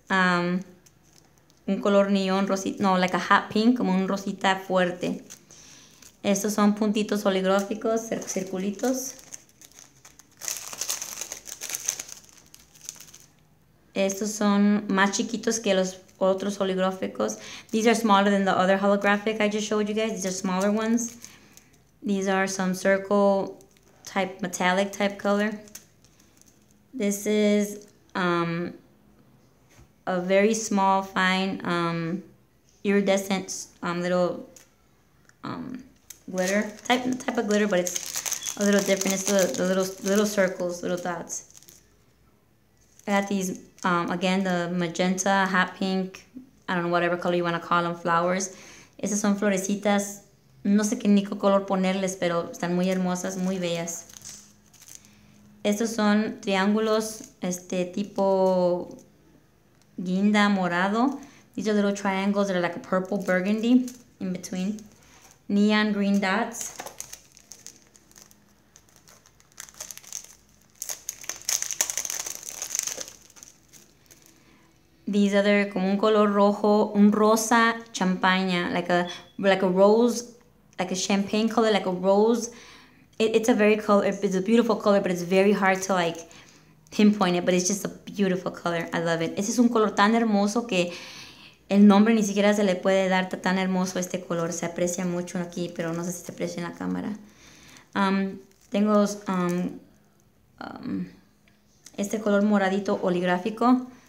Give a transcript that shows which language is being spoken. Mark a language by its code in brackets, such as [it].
[es] Un color neón rosita, no, [en] like a hot pink, [es] como un rosita fuerte. Estos son puntitos oligráficos, circulitos. Estos son más chiquitos que los otros holográficos. [en] These are smaller than the other holographic I just showed you guys. These are smaller ones. These are some circle type, metallic type color. This is a very small, fine, iridescent little glitter. Type of glitter, but it's a little different. It's the little circles, little dots. I got these, again, the magenta, hot pink, I don't know, whatever color you want to call them, flowers. [es] Esas son florecitas. No sé qué ni color ponerles, pero están muy hermosas, muy bellas. Estos son triángulos tipo guinda morado. [en] These are little triangles that are like a purple burgundy in between. Neon green dots. These other, [es] como un color rojo, un rosa champaña, [en] like a rose, like a champagne color, like a rose. It's a very color, it's a beautiful color, but it's very hard to like pinpoint it, but it's just a beautiful color. I love it. [es] Este es un color tan hermoso que el nombre ni siquiera se le puede dar, tan hermoso este color. Se aprecia mucho aquí, pero no sé si se aprecia en la cámara. Tengo este color moradito oligráfico.